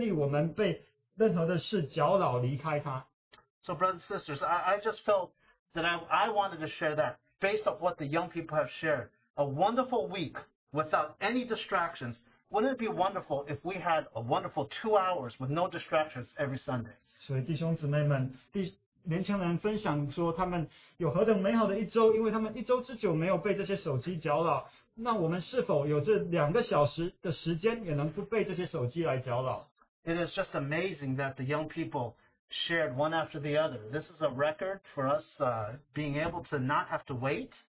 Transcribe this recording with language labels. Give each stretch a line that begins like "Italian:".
Chinese: 就像我们的弟兄分享的，他的宝血为我们每一分钟所洒，他不愿意我们被任何的事搅扰离开他。
English: So brothers and sisters, I just felt that I wanted to share that based on what the young people have shared. A wonderful week without any distractions. Wouldn't it be wonderful if we had a wonderful 2 hours with no distractions every Sunday?
Chinese: 所以弟兄姊妹们，年轻人分享说他们有何等美好的一周，因为他们一周之久没有被这些手机搅扰。那我们是否有这两个小时的时间也能不被这些手机来搅扰？
English: It is just amazing that the young people shared one after the other. This is a record for us being able to not have to wait.